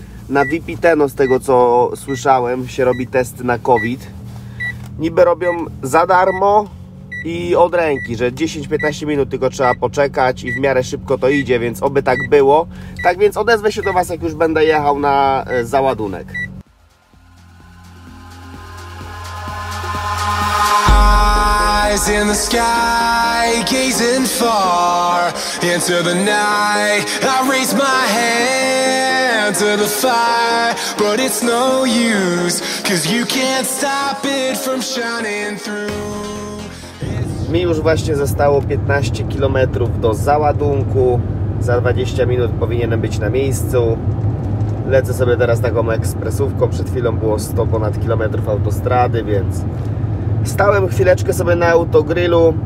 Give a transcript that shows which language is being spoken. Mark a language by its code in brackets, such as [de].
[pl] Na Vipiteno, z tego co słyszałem, się robi test na COVID. Niby robią za darmo i od ręki, że 10-15 minut tylko trzeba poczekać i w miarę szybko to idzie, więc oby tak było. Tak więc odezwę się do Was, jak już będę jechał na załadunek. [en] Eyes in the sky, gazing far into the night. I raise my hand to the fire, but it's no use, 'cause you can't stop it from shining through. [pl] Mi już właśnie zostało 15 km do załadunku. Za 20 minut powinienem być na miejscu. Lecę sobie teraz taką ekspresówką. Przed chwilą było 100 ponad kilometrów autostrady, więc stałem chwileczkę sobie na autogrylu.